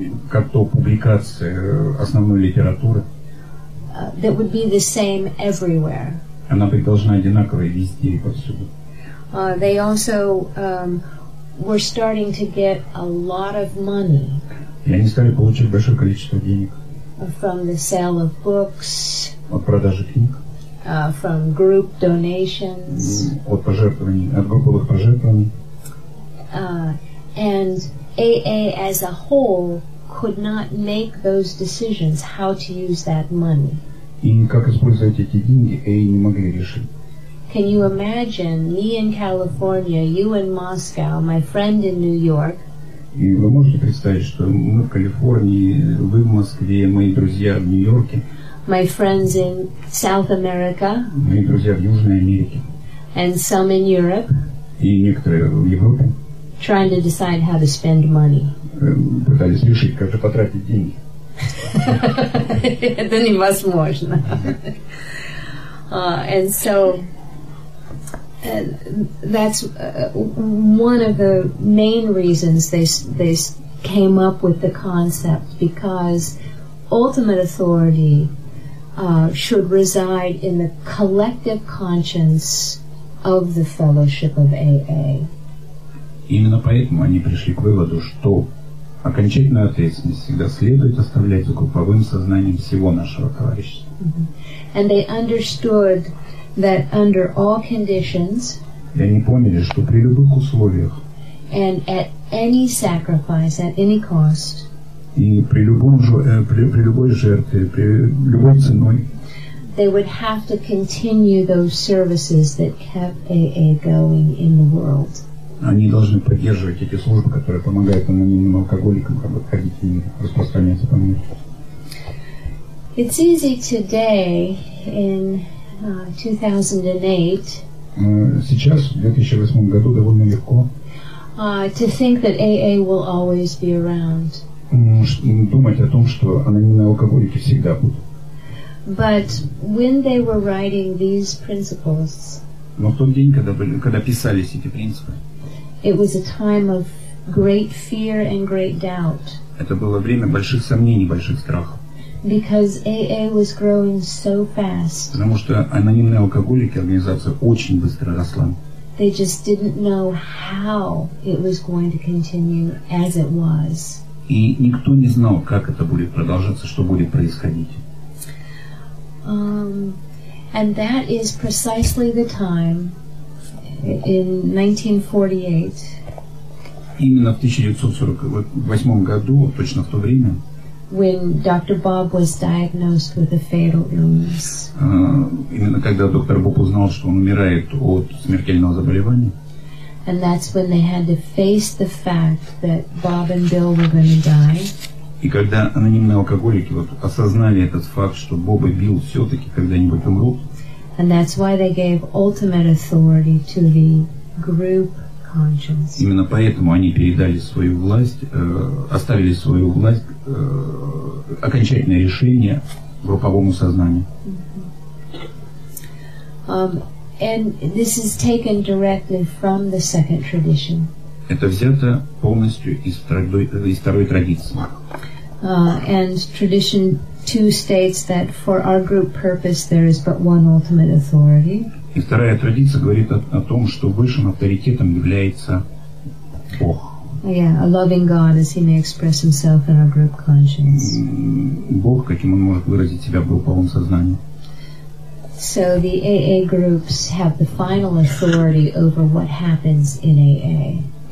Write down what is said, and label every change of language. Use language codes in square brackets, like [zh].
[ru] Как то публикация основной литературы. [en] That would be the same everywhere. [ru] Она бы должна одинаковая везде и повсюду. [en] They also were starting to get a lot of money. [ru] И они стали получать большое количество денег. [en] From the sale of books. [ru] От продажи книг. [en] From group donations. [ru] От пожертвований, от групповых пожертвований. [en] And AA as a whole could not make those decisions how to use that money. [ru] И как использовать эти деньги, AA не могли решить. [en] Can you imagine me in California, you in Moscow, my friend in New York? [ru] И вы можете представить, что мы в Калифорнии, вы в Москве, мои друзья в Нью-Йорке. [en] My friends in South America. [ru] Мои друзья в Южной Америке. [en] And some in Europe. [ru] И некоторые в Европе. [en] Trying to decide how to spend money. [ru] Пытались решить, как же потратить деньги. Это невозможно. [en] And so... that's one of the main reasons they came up with the concept, because ultimate authority should reside in the collective conscience of the fellowship of AA. [ru] Именно поэтому они пришли к выводу, что окончательную ответственность всегда следует оставлять за групповым сознанием всего нашего товарищества. Mm-hmm. [en] And they understood that under all conditions, [ru] и они поняли, что при любых условиях, [en] and at any sacrifice, at any cost, [ru] и при любом при любой жертве, при любой ценой, [en] they would have to continue those services that kept AA going in the world. [ru] Они должны поддерживать эти службы, которые помогают анонимным алкоголикам ходить и распространяться по миру. [en] It's easy today in 2008. [ru] Сейчас, в 2008 году, довольно легко. [en] To think that AA will always be around. [ru] Думать о том, что анонимные алкоголики всегда будут. [en] But when they were writing these principles, [ru] но в тот день, когда писались эти принципы, [en] it was a time of great fear and great doubt. [ru] Это было время больших сомнений, больших страхов. [en] Because AA was growing so fast. [ru] Потому что анонимные алкоголики, организация очень быстро росла. [en] They just didn't know how it was going to continue as it was. [ru] И никто не знал, как это будет продолжаться, что будет происходить. [en] And that is precisely the time in 1948. [ru] Именно в 1948 году, точно в то время, [en] when Dr. Bob was diagnosed with a fatal illness. [ru] Именно когда доктор Боб узнал, что он умирает от смертельного заболевания. [en] And that's when they had to face the fact that Bob and Bill were going to die. [ru] И когда анонимные алкоголики вот осознали этот факт, что Боб и Билл все-таки когда-нибудь умрут. [en] And that's why they gave ultimate authority to the group. [ru] Именно поэтому они передали свою власть, оставили свою власть, окончательное решение групповому сознанию. [en] And this is taken directly from the second tradition. [ru] Это взято полностью из второй традиции. [en] And tradition two states that for our group purpose there is but one ultimate authority. [ru] И вторая традиция говорит о том, что высшим авторитетом является Бог. [en] Yeah, a loving God, as he may express himself in our group conscience. [ru] Бог, каким он может выразить себя в групповом сознании. [en] So the AA groups have the final authority over what happens in AA.